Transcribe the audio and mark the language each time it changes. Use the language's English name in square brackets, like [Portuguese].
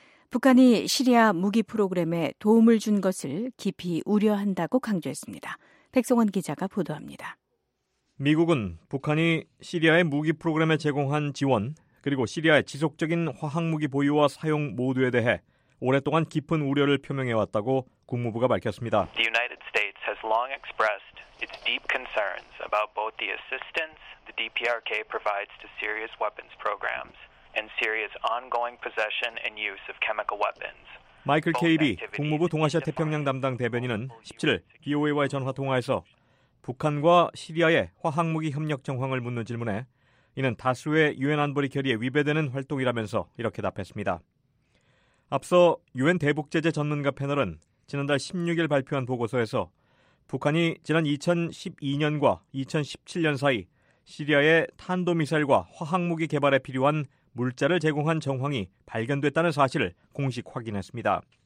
[Korean] 북한이 시리아 무기 프로그램에 도움을 준 것을 깊이 우려한다고 강조했습니다. 백성원 기자가 보도합니다. 미국은 북한이 시리아의 무기 프로그램에 제공한 지원 그리고 시리아의 지속적인 화학무기 보유와 사용 모두에 대해 오랫동안 깊은 우려를 표명해왔다고 국무부가 밝혔습니다. [English] The United States has long expressed its deep concerns about both the assistance the DPRK provides to Syria's weapons programs. And Syria's ongoing possession and use of chemical weapons. [Korean] 마이클 케이비 국무부 동아시아 태평양 담당 대변인은 17일 VOA와의 전화 통화에서 북한과 시리아의 화학무기 협력 정황을 묻는 질문에 이는 다수의 유엔 안보리 결의에 위배되는 활동이라면서 이렇게 답했습니다. 앞서 유엔 대북 제재 전문가 패널은 지난달 16일 발표한 보고서에서 북한이 지난 2012년과 2017년 사이 시리아의 탄도미사일과 화학무기 개발에 필요한 물자를 제공한 정황이 발견됐다는 사실을 공식 확인했습니다.